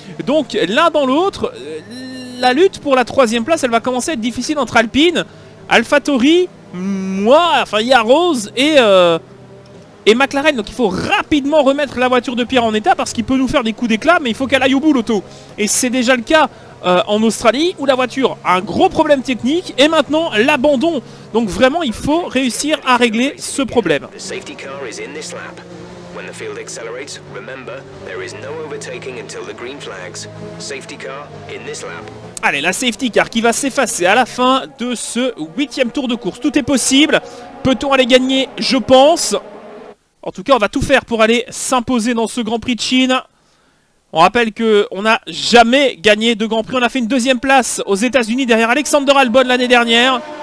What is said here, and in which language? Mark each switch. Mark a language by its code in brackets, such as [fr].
[fr] Donc, l'un dans l'autre, la lutte pour la troisième place, elle va commencer à être difficile entre Alpine, AlphaTauri, moi, enfin, Yaros et McLaren. Donc, il faut rapidement remettre la voiture de Pierre en état parce qu'il peut nous faire des coups d'éclat, mais il faut qu'elle aille au bout, l'auto. Et c'est déjà le cas en Australie, où la voiture a un gros problème technique, et maintenant l'abandon. Donc vraiment, il faut réussir à régler ce problème. [en] The safety car is in this lap. When the field accelerates, remember, there is no overtaking until the green flags. Safety car in this lap. [fr] Allez, la safety car qui va s'effacer à la fin de ce 8e tour de course. Tout est possible. Peut-on aller gagner? Je pense. En tout cas, on va tout faire pour aller s'imposer dans ce Grand Prix de Chine. On rappelle qu'on n'a jamais gagné de Grand Prix. On a fait une deuxième place aux États-Unis derrière Alexander Albon l'année dernière.